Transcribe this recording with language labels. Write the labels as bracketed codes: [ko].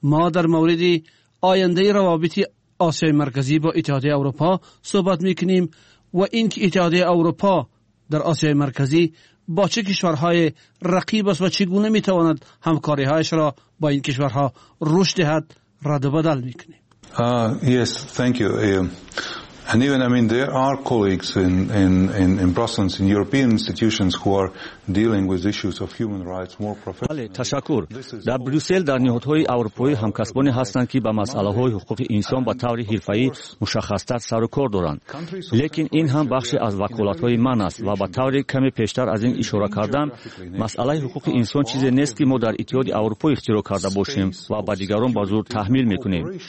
[fa] ما در مورد آینده روابط آسیای مرکزی با اتحادیه اروپا صحبت میکنیم و اینکه اتحادیه اروپا در آسیای مرکزی با چه کشورهای رقیب است و چگونه می تواند همکاری هایش را با این کشورها رشد دهد رد و بدل میکنیم. [en] Yes, thank you. And even I mean there are colleagues in Brussels in European institutions who are dealing with issues of human rights more professionally. [fa] بله تشکر. در بروسل در نهادهای اروپایی همکسبانی هستند که با مسائل حقوق انسان به طور حرفه‌ای مشخص‌تر سر و کار دارند. لیکن این هم بخشی از وکالت‌های من است و به طور کمی پیشتر از این اشاره کردم، مسئله حقوق انسان چیزی نیست که ما در اتحاد اروپا اختراع کرده باشیم و به دیگران به زور تحمیل می‌کنیم.